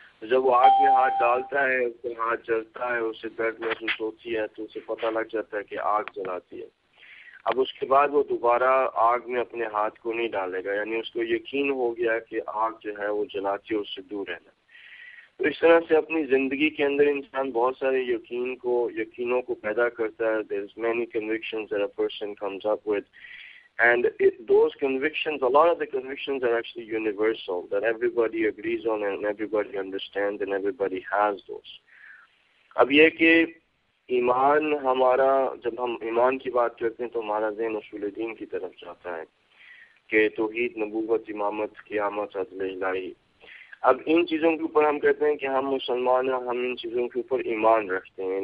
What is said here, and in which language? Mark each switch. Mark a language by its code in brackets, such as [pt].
[ur] جب وہ آگ میں ہاتھ ڈالتا ہے, اس کا ہاتھ جلتا ہے, اسے درد محسوس ہوتی ہے, تو اسے پتہ لگ جاتا ہے کہ آگ جلاتی ہے. اب اس کے بعد وہ دوبارہ آگ میں اپنے ہاتھ کو نہیں ڈالے گا, یعنی اس کو یقین ہو گیا کہ آگ جو ہے وہ جلاتی ہے, اس سے دور رہنا. تو اس طرح سے اپنی زندگی کے اندر انسان بہت سارے یقینوں کو پیدا کرتا ہے. [en] There is many convictions that a person comes up with. And those convictions, a lot of the convictions are actually universal, that everybody agrees on and everybody understands and everybody has those. [ur] اب یہ کہ ایمان ہمارا, جب ہم ایمان کی بات کرتے ہیں تو ہمارا ذہن اصول دین کی طرف جاتا ہے کہ توحید, نبوت, امامت, قیامت, عدل الہی. اب ان چیزوں کے اوپر ہم کہتے ہیں کہ ہم مسلمان ہیں, ہم ان چیزوں کے اوپر ایمان رکھتے ہیں.